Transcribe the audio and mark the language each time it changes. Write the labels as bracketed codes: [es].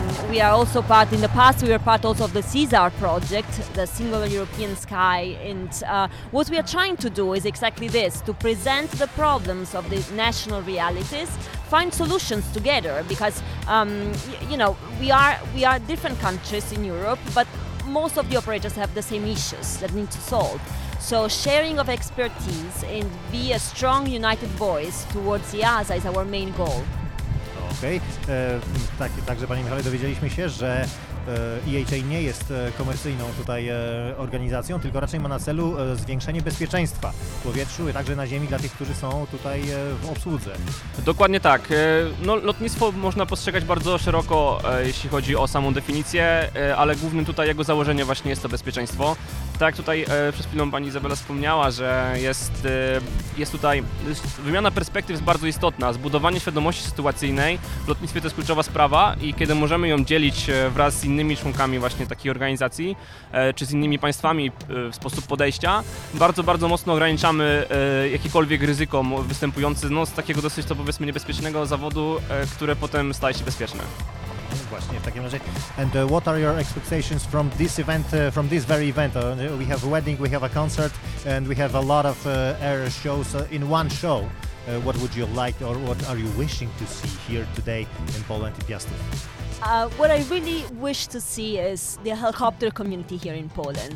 [en] We are also part, in the past we were part also of the CESAR project, the Single European Sky, and what we are trying to do is exactly this, to present the problems of the national realities, find solutions together, because we are different countries in Europe, but most of the operators have the same issues that need to solve. So sharing of expertise and be a strong united voice towards EASA is our main goal. [pl] Okej. Okay. Także panie Michale, dowiedzieliśmy się, że EHA nie jest komercyjną tutaj organizacją, tylko raczej ma na celu zwiększenie bezpieczeństwa w powietrzu i także na ziemi dla tych, którzy są tutaj w obsłudze. Dokładnie tak. No, lotnictwo można postrzegać bardzo szeroko, jeśli chodzi o samą definicję, ale głównym tutaj jego założeniem właśnie jest to bezpieczeństwo. Tak, tutaj przed chwilą pani Izabela wspomniała, że jest tutaj wymiana perspektyw jest bardzo istotna. Zbudowanie świadomości sytuacyjnej w lotnictwie to jest kluczowa sprawa i kiedy możemy ją dzielić wraz z innymi członkami właśnie takiej organizacji, czy z innymi państwami w sposób podejścia, bardzo, bardzo mocno ograniczamy jakiekolwiek ryzyko występujące z takiego dosyć, to powiedzmy, niebezpiecznego zawodu, które potem staje się bezpieczne. Właśnie, w takim razie. [en] And what are your expectations from this event, from this very event? We have a wedding, we have a concert, and we have a lot of air shows in one show. What would you like, or what are you wishing to see here today in Poland in Piastów? What I really wish to see is the helicopter community here in Poland.